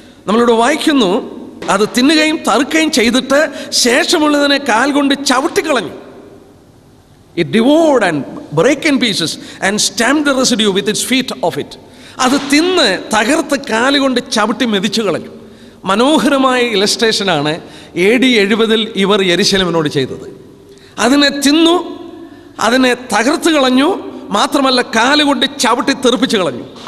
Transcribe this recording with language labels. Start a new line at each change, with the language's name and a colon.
Malayalam: നമ്മളിവിടെ വായിക്കുന്നു അത് തിന്നുകയും തറുക്കുകയും ചെയ്തിട്ട് ശേഷമുള്ളതിനെ കാൽ കൊണ്ട് ചവിട്ടിക്കളഞ്ഞു.
English: it devoured and break in pieces and stamped the residue with its feet of it.
Malayalam: അത് തിന്ന് തകർത്ത് കാലുകൊണ്ട് ചവിട്ടി മെതിച്ചു കളഞ്ഞു. മനോഹരമായ ഇലസ്ട്രേഷനാണ് 70 ഇവർ യെരുശലേമിനോട് ചെയ്തത്. അതിനെ തിന്നു, അതിനെ തകർത്ത് കളഞ്ഞു, മാത്രമല്ല കാലുകൊണ്ട് ചവിട്ടി തെറിപ്പിച്ചു കളഞ്ഞു.